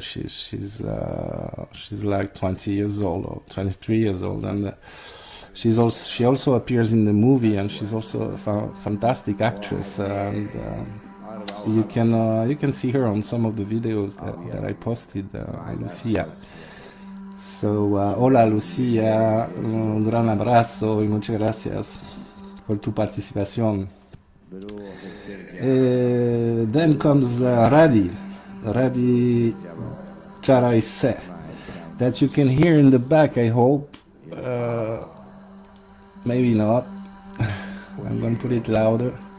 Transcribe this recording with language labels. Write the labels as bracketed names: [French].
[English] She's like 20 years old or 23 years old, and she also appears in the movie, and she's also a fantastic actress. And you can see her on some of the videos that I posted, Lucia. [Spanish] So hola Lucia, un gran abrazo y muchas gracias por tu participación. [English] Then comes Radi Charaise, that you can hear in the back, I hope. Maybe not. I'm gonna put it louder.